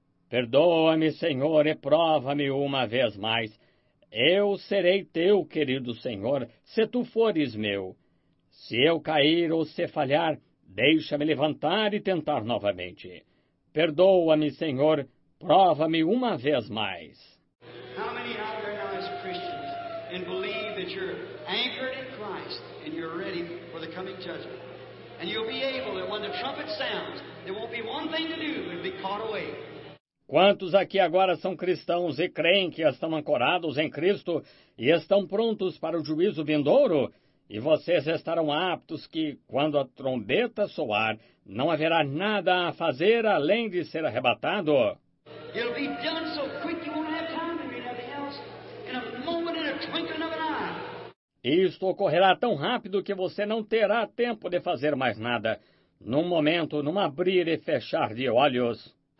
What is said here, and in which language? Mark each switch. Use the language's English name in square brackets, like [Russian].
[Portuguese] Perdoa-me, Senhor, e prova-me uma vez mais. Eu serei teu, querido Senhor, se tu fores meu. Se eu cair ou se falhar, deixa-me levantar e tentar novamente. Perdoa-me, Senhor, prova-me uma vez mais. [English] How many out there now as Christians and believe that you're anchored in Christ? And you're ready for the coming judgment. And you'll be able that when the trumpet sounds, there won't be one thing to do but be caught away. [Portuguese] Quantos aqui agora são cristãos e creem que estão ancorados em Cristo e estão prontos para o juízo vindouro? E vocês estarão aptos que, quando a trombeta soar, não haverá nada a fazer além de ser arrebatado? [English] It'll be done so quick you won't have time to read anything else. In a moment, in a twinkling of an eye. [Portuguese] Isto ocorrerá tão rápido que você não terá tempo de fazer mais nada. Num momento, num abrir e fechar de olhos.